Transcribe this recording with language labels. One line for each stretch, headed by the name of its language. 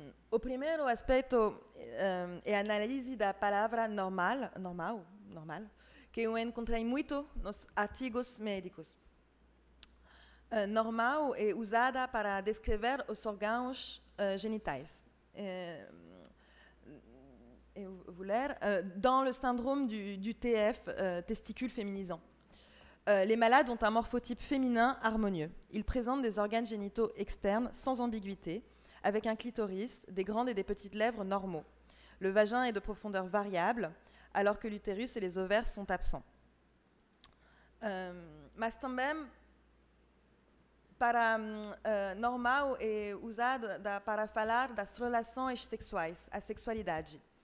Portuguese: O primeiro aspecto é a análise da palavra normal, que eu encontrei muito nos artigos médicos. Normal é usada para descrever os órgãos genitais. Eu vou ler.
French: Dans le syndrome du TF, testicule féminisant. Les malades ont un morphotype féminin harmonieux. Ils présentent des organes génitaux externes sans ambiguïté, avec un clitoris, des grandes et des petites lèvres normaux. Le vagin est de profondeur variable, alors que l'utérus et les ovaires sont absents.
Portuguese: Mas também, para normal é usado para falar das relações sexuais, a sexualidade.